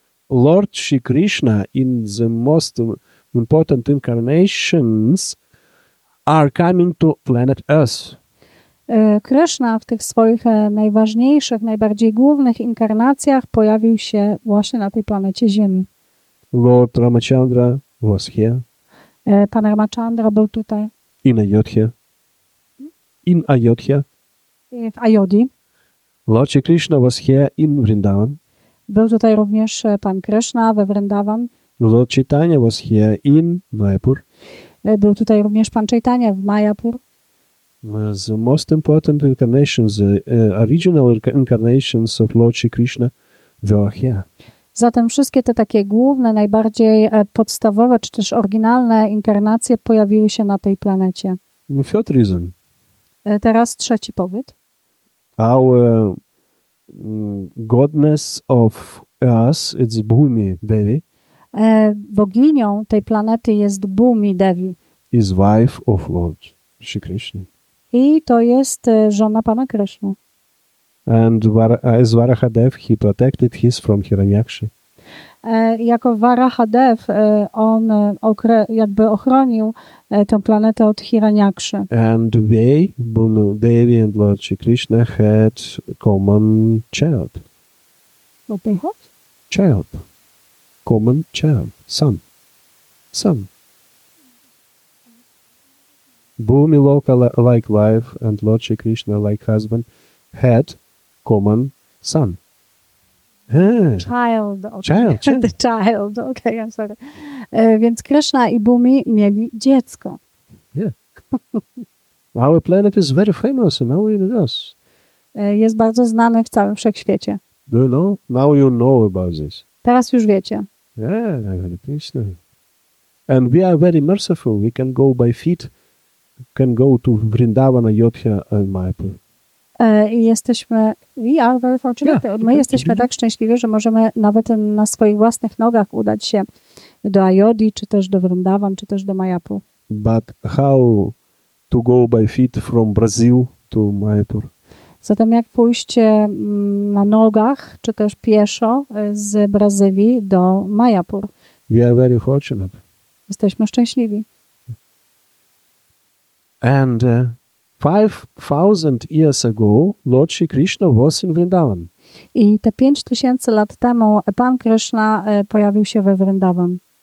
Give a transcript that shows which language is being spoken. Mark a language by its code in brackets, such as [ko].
[en] Lord Shri Krishna in the most important incarnations are coming to planet Earth. [pl] Krishna w tych swoich najważniejszych, najbardziej głównych inkarnacjach pojawił się właśnie na tej planecie Ziemi. [en] Lord Ramachandra was here. [pl] Pan Ramachandra był tutaj. [en] In Ayodhya. In Ayodhya. [pl] W Ayodhi. [en] Lord Shri Krishna was here in Vrindavan. [pl] Był tutaj również Pan Krishna we Vrindavan. [en] Lord Chaitanya was here in Mayapur. [pl] Był tutaj również Pan Chaitanya w Mayapur. [en] The most important incarnations, the original incarnations of Lord Shri Krishna were here. [pl] Zatem wszystkie te takie główne, najbardziej podstawowe, czy też oryginalne inkarnacje pojawiły się na tej planecie. [en] Third reason. [pl] Teraz trzeci powód. [en] Our goddess of us, it's Bhumi Devi. [pl] Boginią tej planety jest Bhumi Devi. [en] Is wife of Lord Shri Krishna. [pl] I to jest żona Pana Krishna. [en] And as Varahadev, he protected his from Hiranyakshi. [pl] Jako Varahadev, on jakby ochronił tę planetę od Hiranyakshi. [en] And they, Bhumi Devi and Lord Shri Krishna, had common child. Open what? Child. Common child. Son. Son. Bhumi Loka like wife and Lord Shri Krishna like husband had common son. Child, okay. Child. The child, okay, I'm sorry. [pl] Więc Krishna i Bhumi mieli dziecko. [en] Yeah. Our planet is very famous in our universe. [pl] Jest bardzo znany w całym wszechświecie. [en] Do you know? Now you know about this. [pl] Teraz już wiecie. [en] Yeah, Hare Krishna. And we are very merciful. We can go by feet, can go to Vrindavan, Ayodhya and Mayapur. [pl] I jesteśmy, [en] we are very fortunate. [pl] Yeah, my jesteśmy tak szczęśliwi, że możemy nawet na swoich własnych nogach udać się do Ayodhi, czy też do Vrindavan, czy też do Mayapur. [en] But how to go by feet from Brazil to Mayapur? [pl] Zatem jak pójść na nogach, czy też pieszo z Brazylii do Mayapur? [en] We are very fortunate. [pl] Jesteśmy szczęśliwi. [en] And 5,000 years ago, Lord Shri Krishna was in Vrindavan. [pl] I te 5000 lat temu Pan Krishna pojawił się we Vrindavan.